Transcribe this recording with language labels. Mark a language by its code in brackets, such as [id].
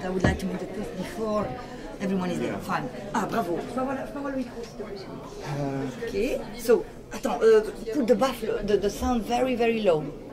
[en] I would like to make the test before everyone is there. Fine. Ah, bravo. [fr] Je peux avoir le micro, s'il te plaît. [en] Ok. So, [fr] attends, [en] put the baffle, the sound very, very low.